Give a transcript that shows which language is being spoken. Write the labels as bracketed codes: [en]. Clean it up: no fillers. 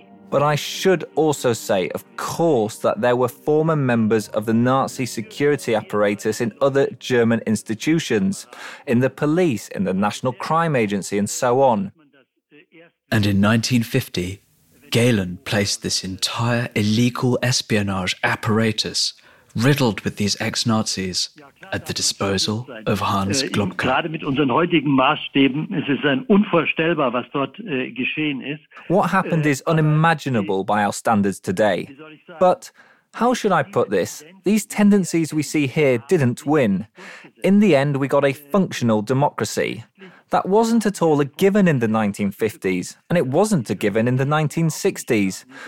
[en] But I should also say, of course, that there were former members of the Nazi security apparatus in other German institutions, in the police, in the National Crime Agency, and so on. And in 1950, Galen placed this entire illegal espionage apparatus, riddled with these ex-Nazis, at the disposal of Hans Globke. [de] Gerade mit unseren heutigen Maßstäben ist es unvorstellbar, was dort geschehen ist. [en] What happened is unimaginable by our standards today. But how should I put this? These tendencies we see here didn't win. In the end, we got a functional democracy. That wasn't at all a given in the 1950s, and it wasn't a given in the 1960s.